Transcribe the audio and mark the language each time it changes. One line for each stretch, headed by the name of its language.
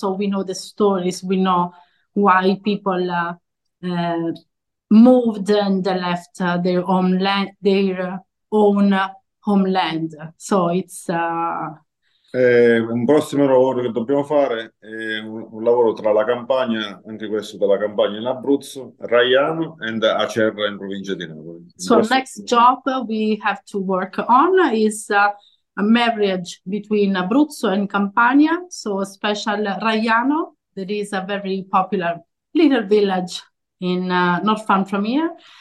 English: So we know the stories, we know why people moved and left their own land, their own homeland. So it's
Italian: Un prossimo lavoro che dobbiamo fare è un lavoro tra la Campania, anche questo della Campania in Abruzzo, Raiano e Acerra in provincia di Napoli.
English: So next job we have to work on is a marriage between Abruzzo and Campania. So a special Raiano, that is a very popular little village in not far from here.